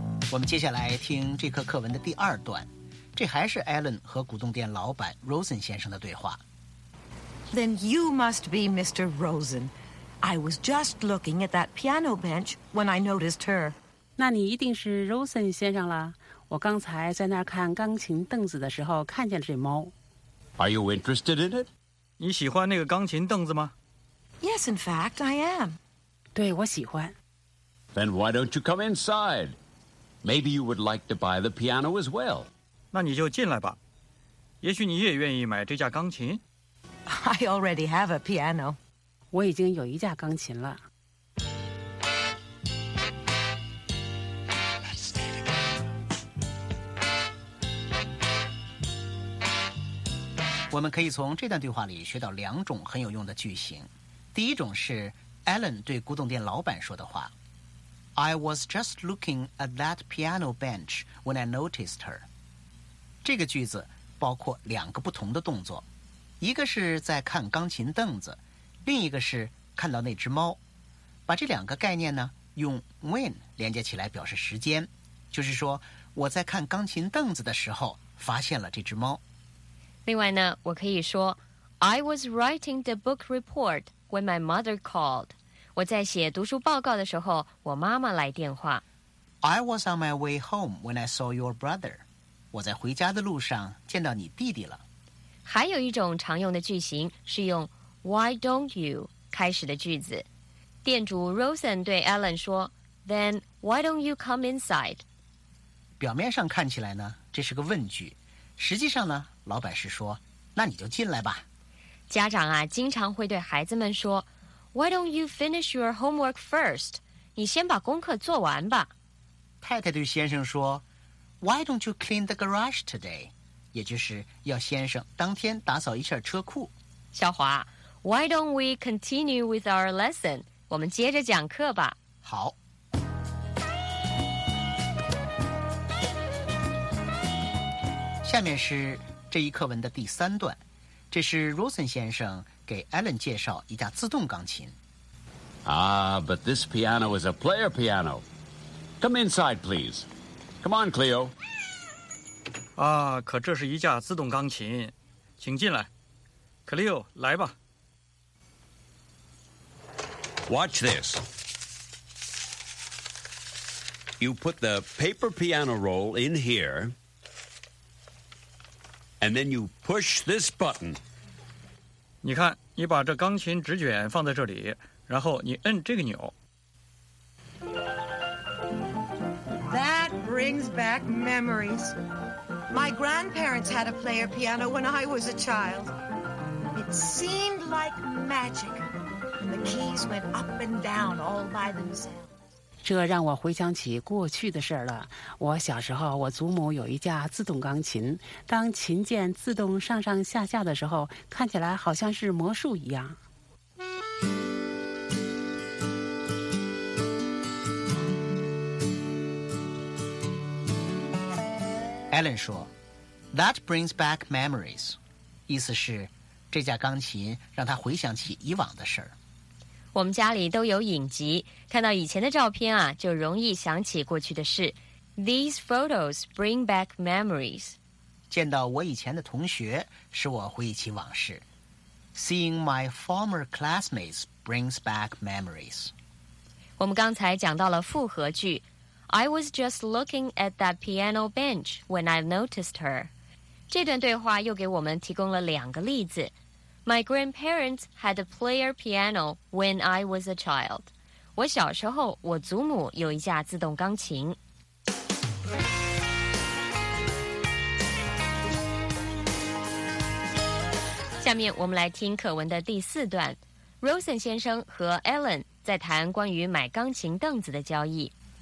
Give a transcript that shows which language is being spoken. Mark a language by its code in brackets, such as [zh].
[zh] 我们接下来听这课课文的第二段，这这还是 Alan 和古董店老板 Rosen 先生的对话。 [en] Then you must be Mr. Rosen. I was just looking at that piano bench when I noticed her. [zh] 那你一定是 Rosen 先生了。我刚才在那儿看钢琴凳子的时候看见了这猫。 [en] Are you interested in it? [zh] 你喜欢那个钢琴凳子吗？ [en] Yes, in fact, I am. [zh] 对，我喜欢。 [en] Then why don't you come inside? Maybe you would like to buy the piano as well. [zh] 那你就进来吧。也许你也愿意买这架钢琴。 [en] I already have a piano. [zh] 我已经有一架钢琴了。我们可以从这段对话里学到两种很有用的句型。第一种是 Alan 对古董店老板说的话。 [en] I was just looking at that piano bench when I noticed her. [zh] 这个句子包括两个不同的动作，一个是在看钢琴凳子，另一个是看到那只猫。把这两个概念呢，用 when 连接起来表示时间，就是说我在看钢琴凳子的时候发现了这只猫。另外呢，我可以说 [en] I was writing the book report when my mother called. [zh] 我在写读书报告的时候，我妈妈来电话。 [en] I was on my way home when I saw your brother. [zh] 我在回家的路上见到你弟弟了。还有一种常用的句型是用 Why don't you 开始的句子。店主 [en] Rosen [zh] 对 [en] Alan [zh] 说 [en] Then why don't you come inside? [zh] 表面上看起来呢，这是个问句。实际上呢，老板是说那你就进来吧。家长啊，经常会对孩子们说 [en] Why don't you finish your homework first? [zh] 你先把功课做完吧。太太对先生说 [en] Why don't you clean the garage today? [zh] 也就是要先生当天打扫一下车库。 [en] 小华 Why don't we continue with our lesson? [zh] 我们接着讲课吧。好。下面是这一课文的第三段。这是 Rosen 先生给 Alan 介绍一架自动钢琴。 [en] Ah, but this piano is a player piano. Come inside, please. Come on, Cleo. [zh] 啊，可这是一架自动钢琴，请进来。 Cleo, 来吧。 [en] Watch this. You put the paper piano roll in here, and then you push this button. [zh] 你看，你把这钢琴纸卷放在这里，然后你摁这个钮。 [en] That brings back memories. My grandparents had a player piano when I was a child. It seemed like magic. The keys went up and down all by themselves. [zh] 这让我回想起过去的事了。我小时候，我祖母有一架自动钢琴，当琴键自动上上下下的时候，看起来好像是魔术一样。 Alan 说 ， [en] That brings back memories， [zh] 意思是这架钢琴让他回想起以往的事儿。我们家里都有影集，看到以前的照片啊，就容易想起过去的事。 [en] These photos bring back memories. [zh] 见到我以前的同学使我回忆起往事。 [en] Seeing my former classmates brings back memories. [zh] 我们刚才讲到了复合句。 [en] I was just looking at that piano bench when I noticed her. [zh] 这段对话又给我们提供了两个例子。 [en] My grandparents had a player piano when I was a child. [zh] 我小时候我祖母有一架自动钢琴。下面我们来听课文的第四段。Rosen 先生和 Alan 在谈关于买钢琴凳子的交易。